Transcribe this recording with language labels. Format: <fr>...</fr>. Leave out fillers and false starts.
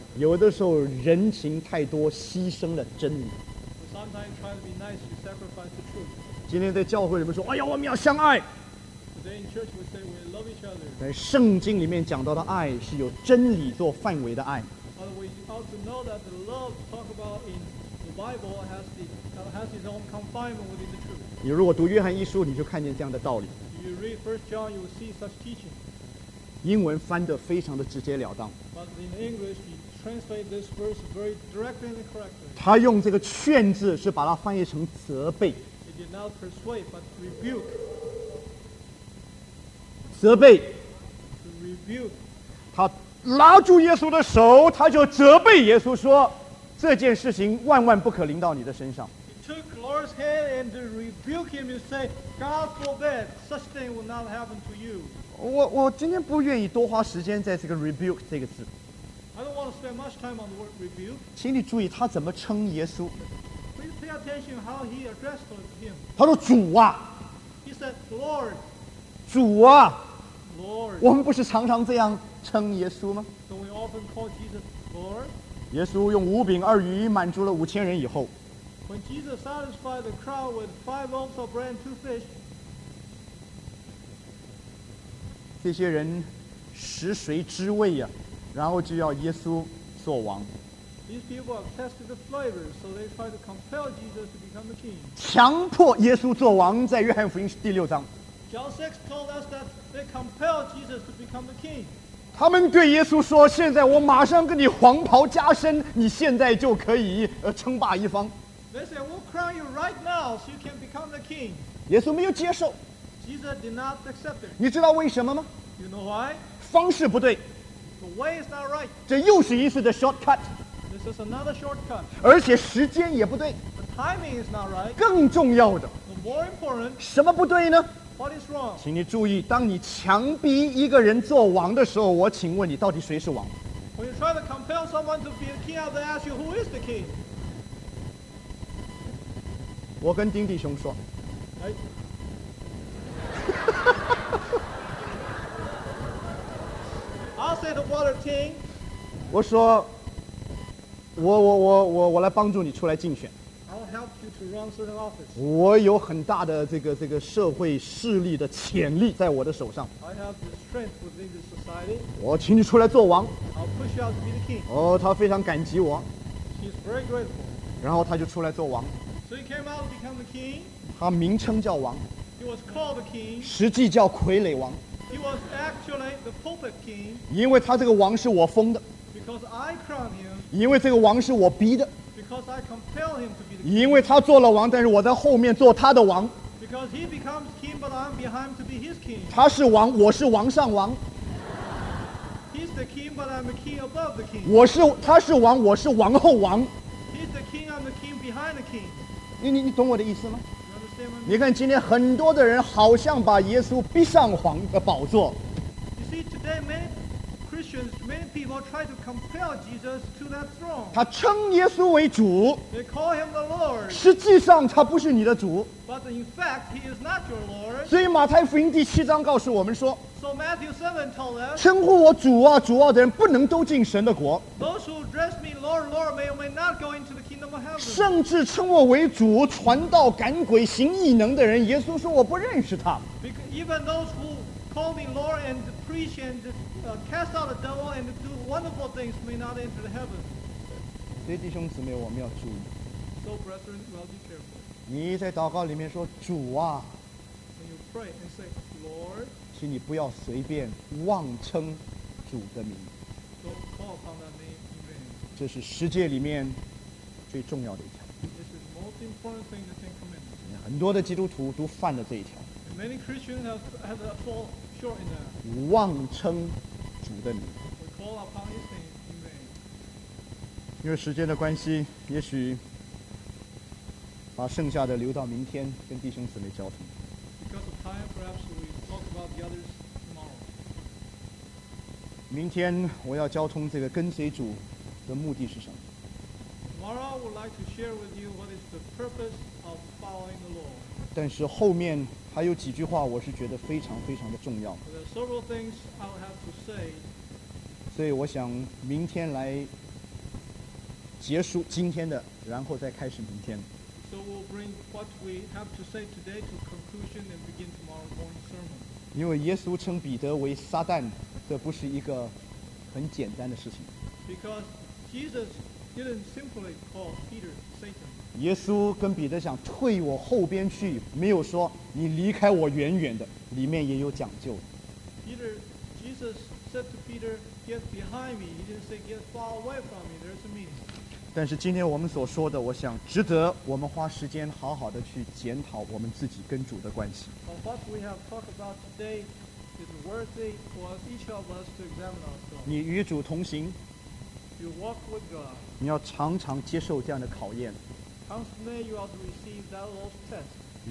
<zh>有的时候人情太多，牺牲了真理。</zh> <en>Sometimes trying to be nice, you sacrifice the truth.</en> <zh>今天在教会里面说，哎呀，我们要相爱。</zh> <en>Today in church we say we love each other.</en> <zh>在圣经里面讲到的爱是有真理做范围的爱。</zh> <en>But we ought to know that the love talked about in the Bible has its own confinement within the truth.</en> <zh>你如果读约翰一书，你就看见这样的道理。</zh> <en>You read First John, you will see such teaching.</en> <zh>英文翻得非常的直截了当。</zh> <en>But in English, he translates this verse very directly and correctly.</en> <zh>他用这个劝字是把它翻译成责备。</zh> <en>He did not persuade, but rebuke.</en> <zh>责备。</zh> <en>To rebuke.</en> <zh>他拉住耶稣的手，他就责备耶稣说：“这件事情万万不可临到你的身上。”</zh> <en>Took Lord's hand and to rebuke him and say, God forbid, such thing will not happen to you.</en> <zh>我今天不愿意多花时间在这个 rebuke 这个字。</zh> <en>I don't want to spend much time on the word rebuke.</en> <zh>请你注意他怎么称耶稣。</zh> <en>Please pay attention how he addressed him.</en> <zh>他说主啊。</zh> <en>He said, Lord.</en> <zh>主啊。</zh> <en>Lord.</en> <zh>我们不是常常这样称耶稣吗？</zh> <en>Don't we often call Jesus Lord?</en> <zh>耶稣用五饼二鱼满足了5000人以后。</zh> <en>When Jesus satisfied the crowd with 5 loaves of bread and 2 fish,</en> <zh>这些人食髓知味呀、啊，然后就要耶稣做王。</zh> <en>These people have tested the flavor, so they try to compel Jesus to become the king.</en> <zh>强迫耶稣做王，在约翰福音第六章。</zh> <en>John 6 told us that they compelled Jesus to become the king.</en> <zh>他们对耶稣说：“现在我马上给你黄袍加身，你现在就可以称霸一方。”</zh> <en>They said, "We'll crown you right now, so you can become the king."</en> <zh>耶稣没有接受。</zh> <en>Jesus did not accept it.</en> <zh>你知道为什么吗</zh> <en>？You know why?</en> <zh>方式不对。</zh> <en>The way is not right.</en> <zh>这又是一次的 shortcut.</zh> <en>This is another shortcut.</en> <zh>而且时间也不对。</zh> <en>The timing is not right.</en> <zh>更重要的。</zh> <en>The more important.</en> <zh>什么不对呢</zh> <en>？What is wrong?</en> <zh>请你注意，当你强逼一个人做王的时候，我请问你，到底谁是王</zh> <en>？When you try to compel someone to be a king, I will ask you, who is the king?</en> <zh>我跟丁弟兄说，</zh> <en>哎，I'll say the water king。</en> <zh>我说，我来帮助你出来竞选。</zh> <en>I'll help asked you to run certain office.</en> <zh>我有很大的这个社会势力的潜力在我的手上。</zh> <en>I have the strength within the society.</en> <zh>我请你出来做王。</zh> <en>I'll push you out to be the king.</en> <zh>哦，他非常感激我。</zh> <en>He's very grateful.</en> <zh>然后他就出来做王。</zh> <en>So he came out to become the king.</en> <zh>他名称叫王。</zh> <en>He was called the king.</en> <zh>实际叫傀儡王。</zh> <en>He was actually the pulpit king.</en> <zh>因为他这个王是我封的。</zh> <en>Because I crown him.</en> <zh>因为这个王是我逼的。</zh> <en>Because I compel him to be the king.</en> <zh>因为他做了王，但是我在后面做他的王。</zh> <en>Because he becomes king, but I'm behind to be his king.</en> <zh>他是王，我是王上王。</zh> <en>He's the king, but I'm the king above the king.</en> <zh>我是他是王，我是王后王。</zh> <en>He's the king, I'm the king behind the king.</en> <zh>你懂我的意思吗？你看今天很多的人好像把耶稣逼上皇的宝座。</zh> <en>You see, today many Christians, many people try to compel Jesus to that throne.</en> <zh>他称耶稣为主。</zh> <en>They call him the Lord.</en> <zh>实际上他不是你的主。</zh> <en>But in fact, he is not your Lord.</en> <zh>所以马太福音第七章告诉我们说。</zh> <en>So Matthew 7 told us.</en> <zh>称呼我主啊主啊的人不能都进神的国。</zh> <en>Those who address me Lord Lord may not go into the kingdom.</en> <zh>甚至称我为主、传道、赶鬼、行异能的人，耶稣说我不认识他。</zh> <en>Even those who call me Lord and preach and cast out the devil and do wonderful things may not enter the heaven.</en> <zh>所以弟兄姊妹，我们要注意。</zh> <en>So brethren, we must be careful.</en> <zh>你在祷告里面说主啊。</zh> <en>When you pray and say Lord,</en> <zh>请你不要随便妄称主的名。</zh> <en>Don't call upon that name in vain.</en> <zh>这是十诫里面。最重要的一条。</zh> <en>This is most important thing the Ten Commandments.</en> <zh>很多的基督徒都犯了这一条。</zh> <en>Many Christians have fall short in that.</en> <zh>妄称主的名。</zh> <en>We call upon His name in vain.</en> <zh>因为时间的关系，也许把剩下的留到明天跟弟兄姊妹交通。</zh> <en>Because of time, perhaps we talk about the others tomorrow.</en> <zh>明天我要交通这个跟随主的目的是什么？</zh> <en>Tomorrow, I would like to share with you what is the purpose of following the Lord.</en> <zh>但是后面还有几句话，我是觉得非常非常的重要。</zh> <en>There are several things I would have to say.</en> <zh>所以我想明天来结束今天的，然后再开始明天。</zh> <en>So we'll bring what we have to say today to conclusion and begin tomorrow morning sermon.</en> <zh>因为耶稣称彼得为撒旦，这不是一个很简单的事情。</zh> <en>Because Jesus. Didn't simply call Peter Satan.</en> <zh>耶稣跟彼得讲退我后边去，没有说你离开我远远的，里面也有讲究。</zh> <en>Peter, Jesus said to Peter, get behind me. He didn't say get far away from me. There's a meaning.</en> <zh>但是今天我们所说的，我想值得我们花时间好好的去检讨我们自己跟主的关系。</zh> <en>What we have talked about today is worthy for each of us to examine ourselves.</en> <zh>你与主同行。</zh> <en>You walk with God.</en> <zh>你要常常接受这样的考验。</zh> <en>Constantly you are to receive that Lord's test.</en>